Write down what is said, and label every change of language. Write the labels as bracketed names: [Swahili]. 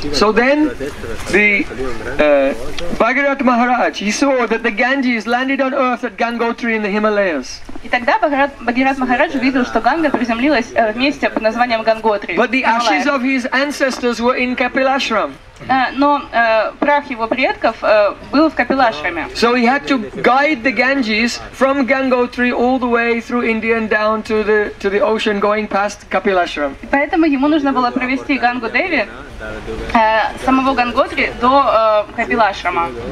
[English] So then the Bhagirath Maharaj, he saw that the Ganges landed on earth at Gangotri in the Himalayas. [Russian] И тогда Бхагират Махарадж видел, что Ганга приземлилась в месте под названием Ганготри. [English] But the ashes of his ancestors were in Kapilashram. [Russian] Но прах его предков был в Капилашраме. [English] So he had to guide the Ganges from Gangotri all the way through India and down to the ocean, going past Kapilashram. [Russian] Поэтому ему нужно было провести Гангу Деви самого Ганготри до Капилашрама.